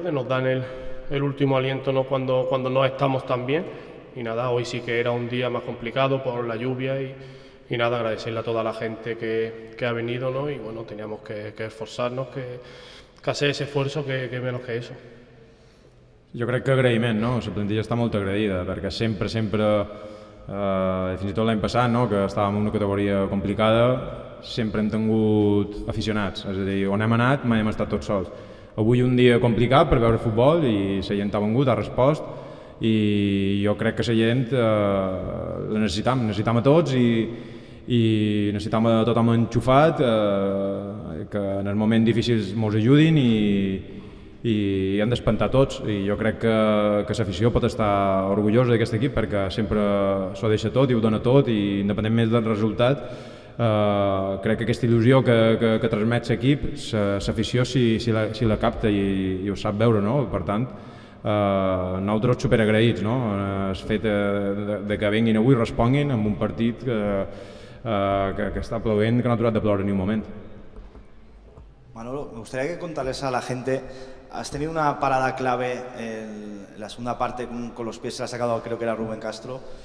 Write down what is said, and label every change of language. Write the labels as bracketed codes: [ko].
[es] Que nos dan el último aliento, ¿no? Cuando no estamos tan bien. Y nada, hoy sí que era un día más complicado por la lluvia y nada, agradecerle a toda la gente que ha venido, ¿no? Y bueno, teníamos que esforzarnos, que hacer ese esfuerzo, que menos que eso. [ca] Jo crec que agraïment, no? La plantilla està molt agraïda, perquè sempre, fins i tot l'any passat, no? Que estàvem en una categoria complicada, sempre hem tingut aficionats, és a dir, on hem anat mai hem estat tots sols. Avui un dia complicat per veure futbol i la gent ha vingut, ha respost i jo crec que la gent la necessitem, necessitem a tots i necessitem a tothom enxufat, que en els moments difícils ens ajudin i hem d'espantar tots i jo crec que l'afició pot estar orgullosa d'aquest equip perquè sempre s'ho deixa tot i ho dona tot i independentment del resultat crec que aquesta il·lusió que transmet l'equip l'afició si la capta i ho sap veure, no? Per tant, nosaltres superagraïts, no? El fet de que venguin avui responguin amb un partit que està plovent que no ha aturat de ploure ni un moment. [es] Manolo, me gustaría que contarles a la gente. Has tenido una parada clave en la segunda parte con los pies, se la ha sacado creo que era Rubén Castro.